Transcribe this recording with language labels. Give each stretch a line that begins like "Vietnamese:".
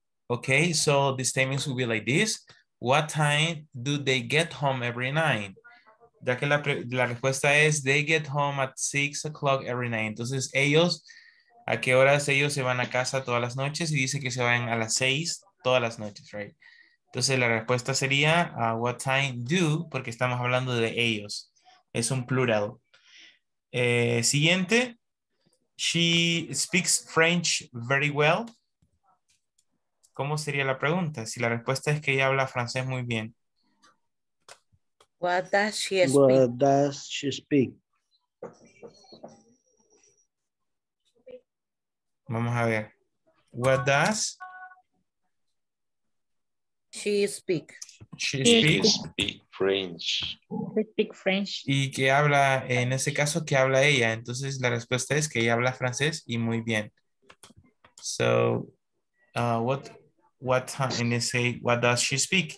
English: Okay, so the statements will be like this. What time do they get home every night?
Spanish: Ya que la respuesta es,
English: they get home at 6 o'clock every night.
Spanish: Entonces ellos, ¿a qué horas ellos se van a casa todas las noches? Y dice que se van a las 6 todas las noches, right? Entonces la respuesta sería
English: what time do,
Spanish: porque estamos hablando de ellos. Es un plural. Siguiente.
English: She speaks French very well.
Spanish: ¿Cómo sería la pregunta? Si la respuesta es que ella habla francés muy bien.
English: What does she speak? What does she speak? Vamos a ver. What does she speak? She speaks French. She speak French.
Spanish: Y que habla, en ese caso, que habla ella. Entonces la respuesta es que ella habla francés y muy bien.
English: So, what and they say, what does she speak?